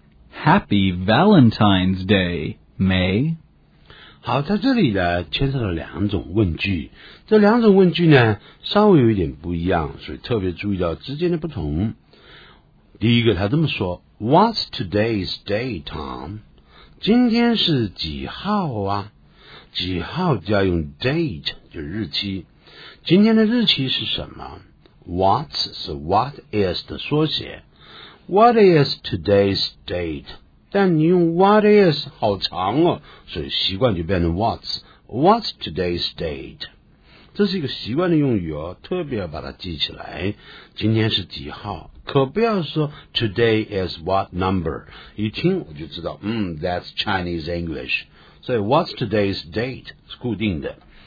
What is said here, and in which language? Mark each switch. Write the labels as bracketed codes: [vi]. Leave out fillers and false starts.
[en] Happy Valentine's Day, May. [zh] 好，在这里呢牵涉了两种问句，这两种问句呢稍微有一点不一样，所以特别注意到之间的不同。第一个他这么说， [en] What's today's day, Tom? [zh] 今天是几号啊，几号就要用 date 就日期，今天的日期是什么？ [en] What's 是 what is [zh] 的缩写， [en] What is today's date? [zh] 但你用 what is 好长哦，所以习惯就变成 what's。 [en] What's today's date? [zh] 这是一个习惯的用语哦，特别要把它记起来。今天是几号，可不要说 [en] today is what number, [zh] 一听我就知道 [en] that's Chinese English, [zh] 所以 [en] what's today's date [zh] 是固定的。